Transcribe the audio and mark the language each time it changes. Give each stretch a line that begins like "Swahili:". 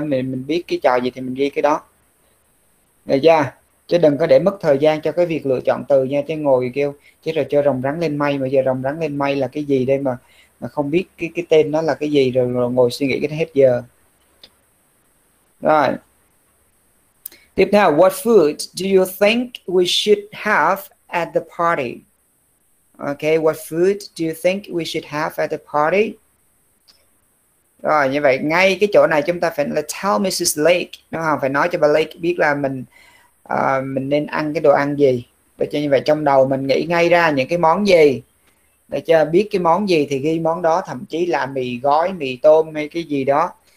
Vietnamese: Mình biết cái trò gì thì mình ghi cái đó. Được chưa? Chứ đừng có để mất thời gian cho cái việc lựa chọn từ nha. Chứ ngồi kêu, chứ rồi chơi rồng rắn lên mây. Mà giờ rồng rắn lên mây là cái gì đây mà không biết cái tên nó là cái gì. Rồi ngồi suy nghĩ cái hết giờ. Rồi. Tiếp theo,
English: what food do you think we should have at the party? Okay, what food do you think we should have at the party?
Vietnamese: Rồi, như vậy, ngay cái chỗ này chúng ta phải là
English: tell Mrs. Lake,
Vietnamese: đúng không? Phải nói cho bà Lake biết là mình nên ăn cái đồ ăn gì. Được chưa? Như vậy, trong đầu mình nghĩ ngay ra những cái món gì. Được chưa? Biết cái món gì thì ghi món đó, thậm chí là mì gói, mì tôm hay cái gì đó.